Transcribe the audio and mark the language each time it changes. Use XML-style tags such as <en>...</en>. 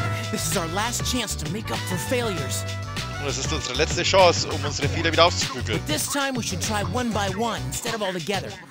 <en>This is our last chance to make up for failures.</en> <de>Und es ist unsere letzte Chance, um unsere Fehler wieder aufzubügeln.</de> <en>But this time we should try one by one instead of all together.</en>